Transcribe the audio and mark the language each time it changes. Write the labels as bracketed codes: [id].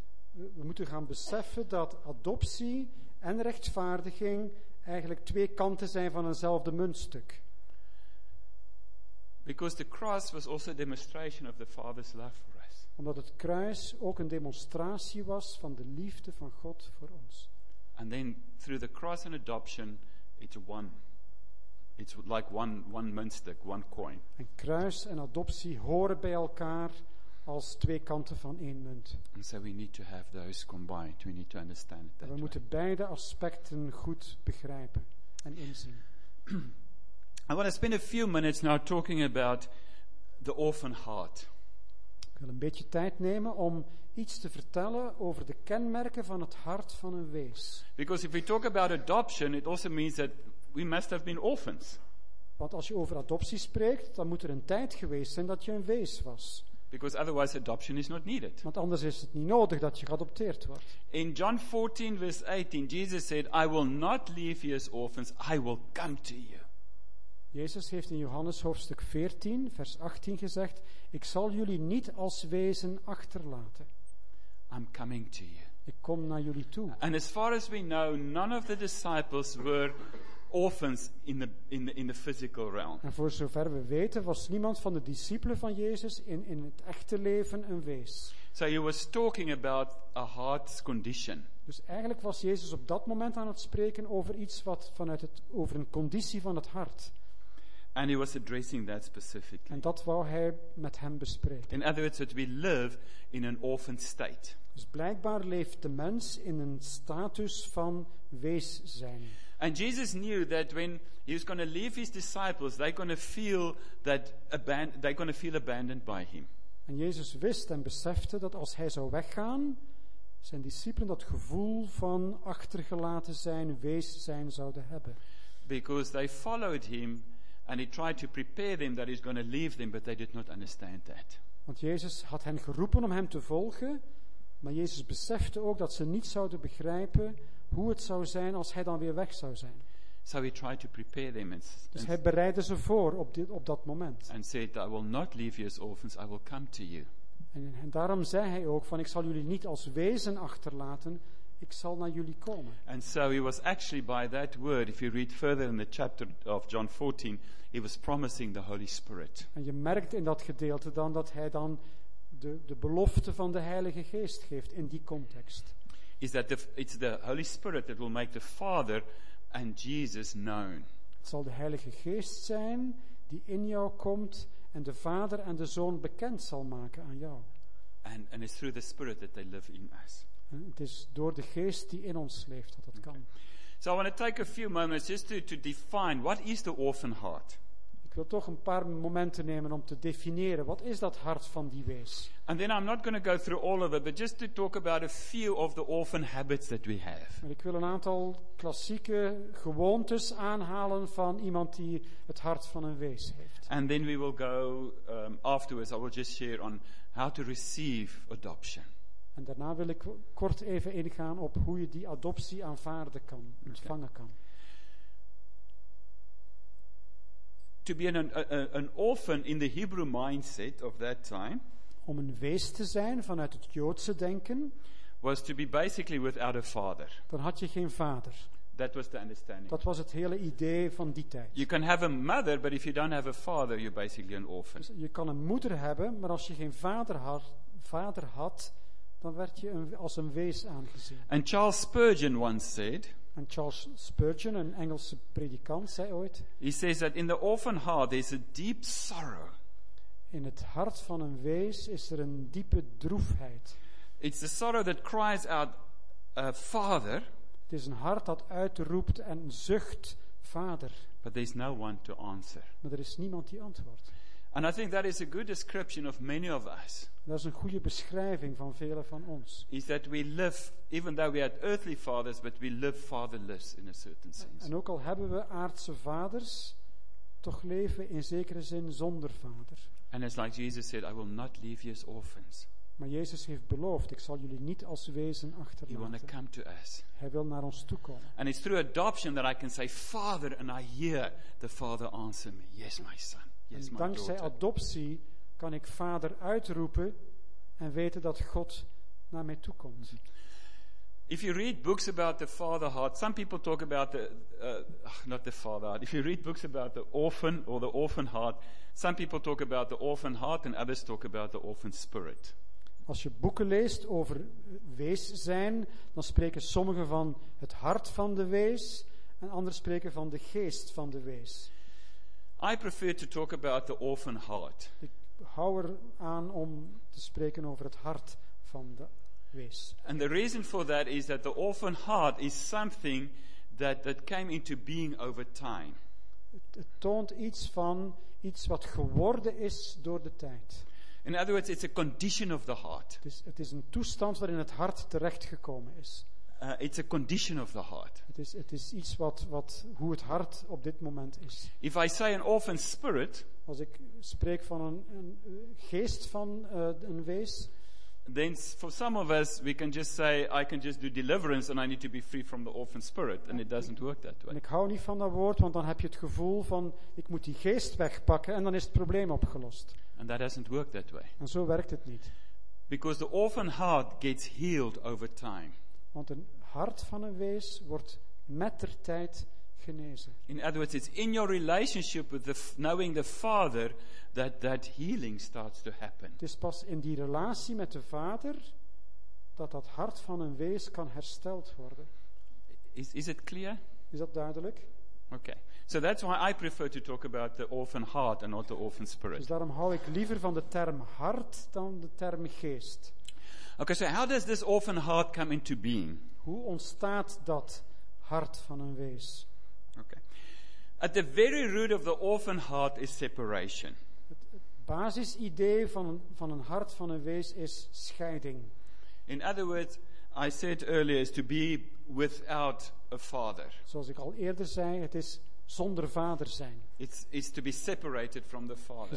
[nl] We moeten gaan beseffen dat adoptie en rechtvaardiging eigenlijk twee kanten zijn van eenzelfde muntstuk. [en] Because the cross was also a demonstration of the Father's love for us. [nl] Omdat het kruis ook een demonstratie was van de liefde van God voor ons. [en] And then through the cross and adoption, it's one. It's like one muntstuk, one coin. [nl] En kruis en adoptie horen bij elkaar als twee kanten van één munt. [en] And so we need to have those combined. We need to understand it that we way. [nl] Moeten beide aspecten goed begrijpen en inzien. [en] I want to spend a few minutes now talking about the orphan heart. [nl] Ik wil een beetje tijd nemen om iets te vertellen over de kenmerken van het hart van een wees. [en] Because if we talk about adoption, it also means that we must have been orphans. [nl] Want als je over adoptie spreekt, dan moet er een tijd geweest zijn dat je een wees was. [en] Because otherwise adoption is not needed. [nl] Want anders is het niet nodig dat je geadopteerd wordt. [en] In John 14, verse 18, Jesus said, I will not leave you as orphans, I will come to you. [nl] Jezus heeft in Johannes hoofdstuk 14, vers 18 gezegd, ik zal jullie niet als wezen achterlaten. [en] I'm coming to you. [nl] Ik kom naar jullie toe. [en] And as far as we know, none of the disciples were orphans in the physical realm. [nl] En voor zover we weten, was niemand van de discipelen van Jezus in het echte leven een wees. [en] So he was talking about a heart's condition. [nl] Dus eigenlijk was Jezus op dat moment aan het spreken over iets wat vanuit het over een conditie van het hart. [en] And he was addressing that specifically. [nl] En dat wou hij met hem bespreken. [en] In other words, that we live in an orphan state. [nl] Dus blijkbaar leeft de mens in een status van wees zijn. [en] And Jesus knew that when he was going to leave his disciples, they're going to feel that they're going to feel abandoned by him. [nl] En Jezus wist en besefte dat als hij zou weggaan, zijn discipelen dat gevoel van achtergelaten zijn, wees zijn zouden hebben. [en] Because they followed him. And he tried to prepare them that he's going to leave them, but they did not understand that. [nl] Want Jezus had hen geroepen om hem te volgen, maar Jezus besefte ook dat ze niet zouden begrijpen hoe het zou zijn als hij dan weer weg zou zijn. [en] So he tried to prepare them and [nl] dus hij bereidde ze voor op dat moment. [en] And said, I will not leave you as orphans, I will come to you. [nl] En daarom zei hij ook van ik zal jullie niet als wezen achterlaten. Ik zal naar jullie komen. [en] And so he was actually by that word, if you read further in the chapter of John 14, he was promising the Holy Spirit. [nl] En je merkt in dat gedeelte dan dat hij dan de belofte van de Heilige Geest geeft in die context. [en] Is that it's the Holy Spirit that will make the Father and Jesus known. [nl] Het zal de Heilige Geest zijn die in jou komt en de Vader en de Zoon bekend zal maken aan jou. [en] And it's through the Spirit that they live in us. [nl] En het is door de geest die in ons leeft dat kan. [en] So I want to take a few moments just to define what is the orphan heart. [nl] Ik wil toch een paar momenten nemen om te definiëren wat is dat hart van die wees. [en] And then I'm not going to go through all of it, but just to talk about a few of the orphan habits that we have. [nl] Maar ik wil een aantal klassieke gewoontes aanhalen van iemand die het hart van een wees heeft. [en] And then we will go afterwards. I will just share on how to receive adoption. [nl] En daarna wil ik kort even ingaan op hoe je die adoptie aanvaarden kan, ontvangen kan. [en] To be an orphan in the Hebrew mindset of that time. [nl] Om een wees te zijn vanuit het Joodse denken. [en] Was to be basically without a father. [nl] Dan had je geen vader. [en] That was the understanding. [nl] Dat was het hele idee van die tijd. [en] You can have a mother, but if you don't have a father, you're basically an orphan. [nl] Dus je kan een moeder hebben, maar als je geen vader had. Dan werd je als een wees aangezien. [en] And Charles Spurgeon once said. [nl] En Charles Spurgeon, een Engelse predikant, zei ooit. [en] He says that in the orphan heart there's a deep sorrow. [nl] In het hart van een wees is er een diepe droefheid. [en] It's the sorrow that cries out, Father. [nl] Het is een hart dat uitroept en zucht, Vader. [en] But there's no one to answer. [nl] Maar er is niemand die antwoordt. [en] And I think that is a good description of many of us. [nl] Dat is een goede beschrijving van velen van ons. [en] Is that we live, even though we had earthly fathers, but we live fatherless in a certain sense. [nl] En ook al hebben we aardse vaders, toch leven we in zekere zin zonder vader. [en] And it's like Jesus said, I will not leave you as orphans. [nl] Maar Jezus heeft beloofd, ik zal jullie niet als wezen achterlaten. [en] He want to come to us. [nl] Hij wil naar ons toe komen. [en] And it's through adoption that I can say, Father, and I hear the Father answer me, yes, my son. [nl] En dankzij adoptie kan ik vader uitroepen en weten dat God naar mij toe komt. [en] If you read books about the father heart, some people talk about the not the father heart. If you read books about the orphan or the orphan heart, some people talk about the orphan heart and others talk about the orphan spirit. [nl] Als je boeken leest over wees zijn, dan spreken sommigen van het hart van de wees en anderen spreken van de geest van de wees. [en] I prefer to talk about the orphan heart. [nl] Ik hou er aan om te spreken over het hart van de wees. [en] And the reason for that is that the orphan heart is something that came into being over time. [nl] Het toont iets van iets wat geworden is door de tijd. [en] In other words, it's a condition of the heart. [nl] Het is een toestand waarin het hart terechtgekomen is. [en] It's a condition of the heart. [nl] Het is iets wat hoe het hart op dit moment is. [en] If I say an orphan spirit, [nl] als ik spreek van een geest van een wees, [en] then for some of us we can just say I can just do deliverance and I need to be free from the orphan spirit, and it doesn't work that way. [nl] En ik hou niet van dat woord, want dan heb je het gevoel van ik moet die geest wegpakken en dan is het probleem opgelost. [en] And that doesn't work that way. [nl] En zo werkt het niet. [en] Because the orphan heart gets healed over time. [nl] Want een hart van een wees wordt met ter tijd genezen. [en] In other words, it's in your relationship with knowing the Father that healing starts to happen. [nl] Het is pas in die relatie met de Vader dat hart van een wees kan hersteld worden. [en] Is it clear? [nl] Is dat duidelijk? [en] Okay. So that's why I prefer to talk about the orphan heart and not the orphan spirit. [nl] Dus daarom hou ik liever van de term hart dan de term geest. [en] Okay, so how does this orphan heart come into being? [nl] Hoe ontstaat dat hart van een wees? [en] Okay. At the very root of the orphan heart is separation. [nl] Het basisidee van een hart van een wees is scheiding. [en] In other words, I said earlier, is to be without a father. [nl] Zoals ik al eerder zei, het is zonder vader zijn. [en] It's to be separated from the father.